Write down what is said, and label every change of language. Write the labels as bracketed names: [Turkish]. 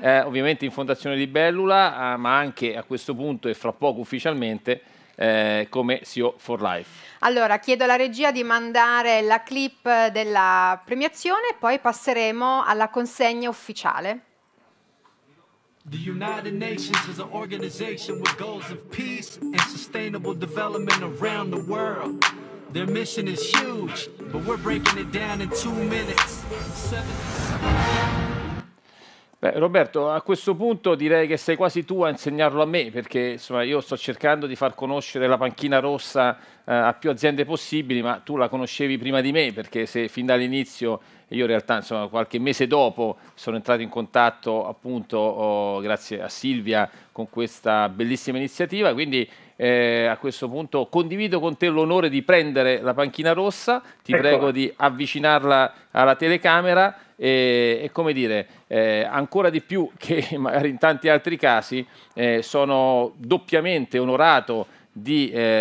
[Italian] Quindi sia, ovviamente in Fondazione Libellula, ma anche a questo punto e fra poco ufficialmente come CEO for Life. Allora, chiedo alla regia di mandare la clip della premiazione e poi passeremo alla consegna ufficiale. [English] The United Nations is an organization with goals of peace and sustainable development around the world. Their mission is huge, but we're breaking it down in 2 minutes. [Italian] Beh, Roberto, a questo punto direi che sei quasi tu a insegnarlo a me, perché insomma io sto cercando di far conoscere la panchina rossa a più aziende possibili, ma tu la conoscevi prima di me, perché se fin dall'inizio, io in realtà insomma qualche mese dopo sono entrato in contatto appunto grazie a Silvia con questa bellissima iniziativa, quindi a questo punto condivido con te l'onore di prendere la panchina rossa, ti prego di avvicinarla alla telecamera e come dire, ancora di più che magari in tanti altri casi, sono doppiamente onorato di